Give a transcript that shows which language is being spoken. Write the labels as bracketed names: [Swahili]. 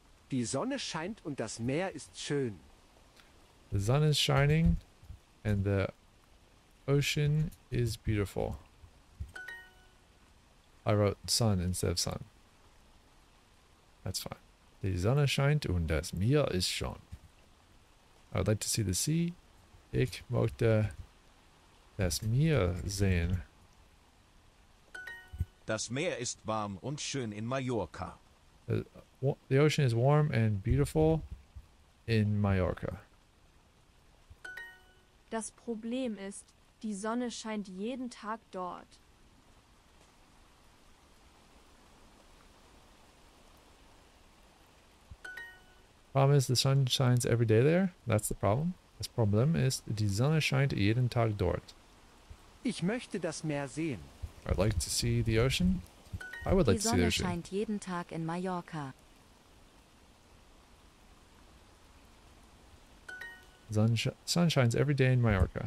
[German] Die Sonne scheint und das Meer ist schön. [English] The sun is shining, and the ocean is beautiful. I wrote sun instead of sun. That's fine. [German] Die Sonne scheint und das Meer ist schön. [English] I would like to see the sea. [German] Ich möchte das Meer sehen. Das Meer ist warm und schön in Mallorca. [English] The ocean is warm and beautiful in Mallorca. [German] Das Problem ist, die Sonne scheint jeden Tag dort. Problem ist, [English] the sun shines every day there. That's the problem. [German] Das Problem ist, die Sonne scheint jeden Tag dort. Ich möchte das Meer sehen. [English] I'd like to see the ocean. I would like to see the ocean. [German] Die Sonne scheint jeden Tag in Mallorca. [English] Sun shines every day in Mallorca.